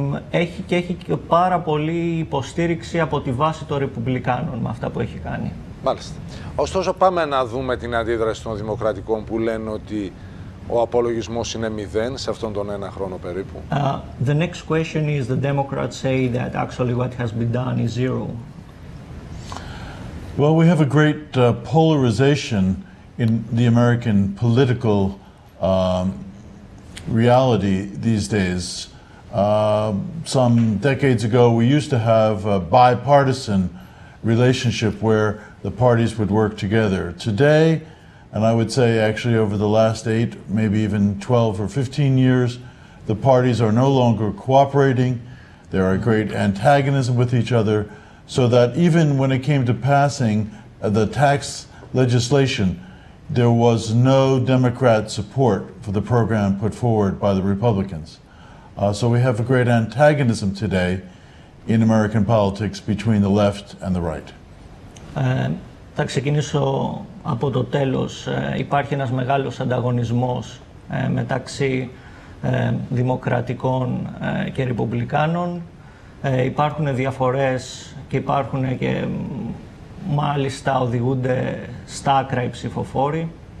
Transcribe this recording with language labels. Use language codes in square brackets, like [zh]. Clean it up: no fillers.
[el] Έχει και πάρα πολύ υποστήριξη από τη βάση των Ρεπουμπλικάνων με αυτά που έχει κάνει. Μάλιστα. Ωστόσο, πάμε να δούμε την αντίδραση των Δημοκρατικών που λένε ότι ο απολογισμός είναι μηδέν σε αυτόν τον ένα χρόνο περίπου. [en] The next question is, the Democrats say that actually what has been done is zero. Well, we have a great polarization in the American political reality these days. Some decades ago, we used to have a bipartisan relationship where the parties would work together. Today, and I would say actually over the last 8, maybe even 12 or 15 years, the parties are no longer cooperating. There are great antagonism with each other, so that even when it came to passing the tax legislation, there was no Democrat support for the program put forward by the Republicans. So we have a great antagonism today in American politics between the left and the right. [el] Θα ξεκινήσω από το τέλος. Υπάρχει ένας μεγάλος ανταγωνισμός μεταξύ δημοκρατικών και ρεπουμπλικάνων. Υπάρχουν διαφορές και υπάρχουν και μάλιστα οδηγούνται στα άκρα οι ψηφοφόροι.